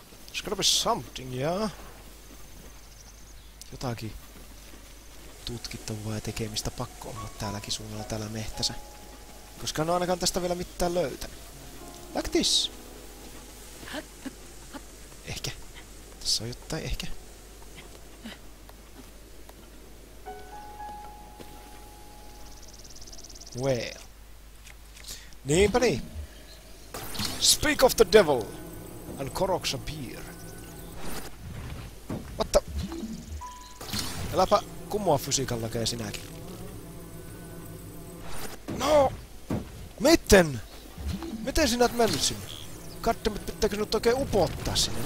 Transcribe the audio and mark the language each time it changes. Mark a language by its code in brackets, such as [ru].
[en] It's gotta be something, yeah. [fi] Jotakin tutkittavaa ja tekemistä pakko olla täälläkin suunnalla täällä mehtässä. Koska en ole ainakaan tästä vielä mitään löytänyt. [en] Like this. [fi] Ehkä. Tässä on jotain ehkä. [en] Well. [fi] Niinpä niin. [en] Speak of the devil and Korok's appear. What the? [fi] Eläpä kumoa fysiikan lakeja sinäkin. [en] No! [fi] Miten? Miten sinä et mennyt sinne? Kattemit, pitääkö sinut oikein upottaa sinne?